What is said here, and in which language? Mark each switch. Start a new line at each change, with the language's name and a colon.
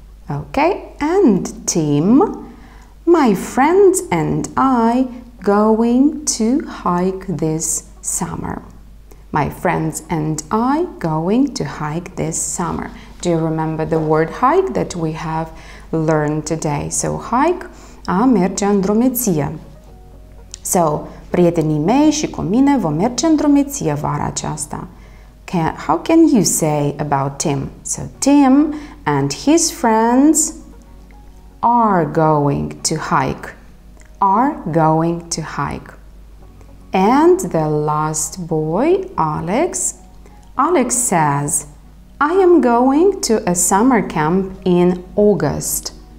English: Okay, and Tim, my friends and I going to hike this summer. My friends and I going to hike this summer. Do you remember the word hike that we have learned today? So hike,
Romanian: a merge în drumeție. So, prietenii mei și cu mine vom merge în drumeție vara aceasta.
English: How can you say about Tim? So Tim and his friends are going to hike. Are going to hike. And the last boy, Alex. Alex says, I am going to a summer camp in August.